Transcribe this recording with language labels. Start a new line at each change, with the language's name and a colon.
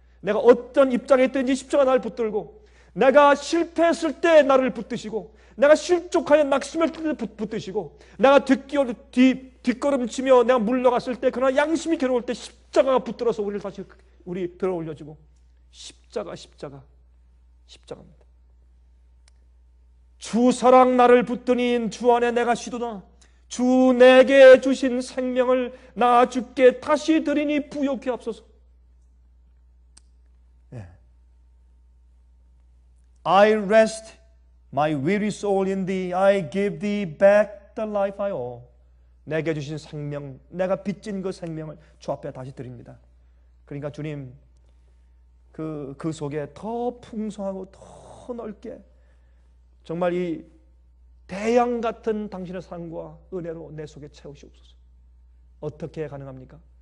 Korean: 내가 어떤 입장에 있든지 십자가 날 붙들고, 내가 실패했을 때 나를 붙드시고, 내가 실족하여 낙심했을 때 붙드시고, 내가 뒷걸음치며 내가 물러갔을 때, 그러나 양심이 괴로울 때 십자가가 붙들어서 우리를 다시 우리 들어 올려주고, 십자가입니다. 주 사랑 나를 붙드니 주 안에 내가 쉬도다. 주 내게 주신 생명을 나 주께 다시 드리니 부요케 앞서서. 네.
English: I rest my weary soul in thee, I give thee back the life I owe.
Korean: 내게 주신 생명, 내가 빚진 그 생명을 주 앞에 다시 드립니다. 그러니까 주님, 그 속에 더 풍성하고 더 넓게 정말 이 대양 같은 당신의 사랑과 은혜로 내 속에 채우시옵소서. 어떻게 가능합니까?